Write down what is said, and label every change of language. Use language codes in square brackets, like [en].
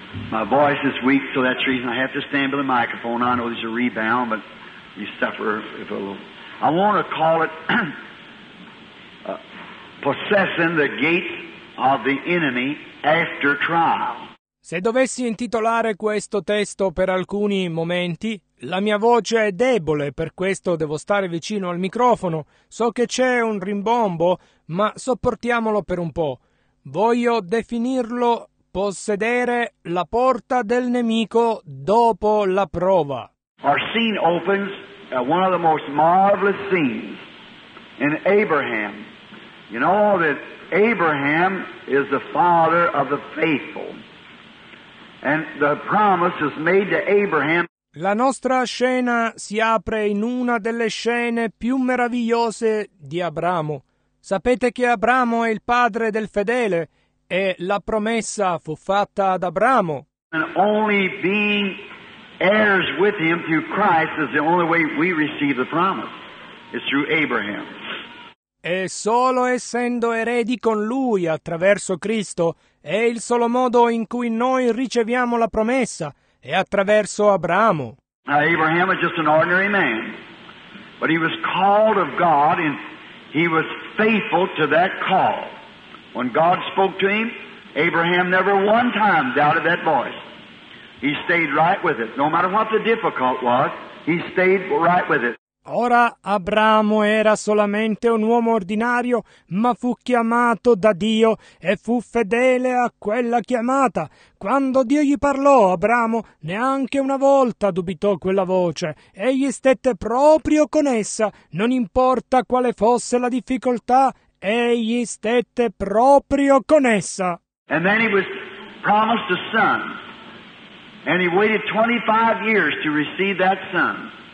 [en] My voice is weak, so that's the reason I have to stand by the microphone. I know there's a rebound, but you suffer if a little. I want to call it Possessing the Gates of the Enemy After Trial. [it] Se dovessi intitolare questo testo per alcuni momenti, la mia voce è debole, per questo devo stare vicino al microfono. So che c'è un rimbombo, ma sopportiamolo per un po'. Voglio definirlo possedere la porta del nemico dopo la prova. [en] Our scene opens at one of the most marvelous scenes in Abraham. You know that Abraham is the father of the faithful. And the promise is made to Abraham. [it] La nostra scena si apre in una delle scene più meravigliose di Abramo. Sapete che Abramo è il padre del fedele e la promessa fu fatta ad Abramo. [en] And only being heirs with him through Christ is the only way we receive the promise. It's through Abraham. [it] E solo essendo eredi con lui attraverso Cristo è il solo modo in cui noi riceviamo la promessa. E attraverso Abramo. [en] Now, Abraham was just an ordinary man, but he was called of God and he was faithful to that call. When God spoke to him, Abraham never one time doubted that voice. He stayed right with it. No matter what the difficult was, he stayed right with it. [it] Ora Abramo era solamente un uomo ordinario, ma fu chiamato da Dio e fu fedele a quella chiamata. Quando Dio gli parlò, Abramo neanche una volta dubitò quella voce. Egli stette proprio con essa, non importa quale fosse la difficoltà, egli stette proprio con essa. [en] And then he was promised a son, and he waited 25 years to receive that son.